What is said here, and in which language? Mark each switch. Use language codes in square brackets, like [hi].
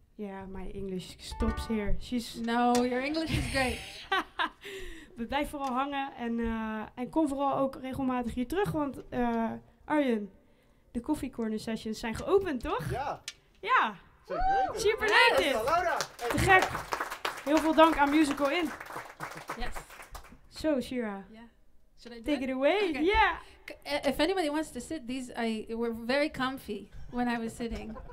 [en] Yeah, my English stops here. She's... No, your English is great. [nl] We blijven vooral hangen en kom vooral ook regelmatig hier terug. Want Arjen, de Coffee Corner Sessions zijn geopend, toch? Ja. Ja. Zeker weten. Super leuk dit. Te gek. Heel veel dank aan Musical In. [en] Yes. So, Shira. Yeah. Should I take it away? Okay. Yeah. If anybody wants to sit, these were very comfy when I was sitting.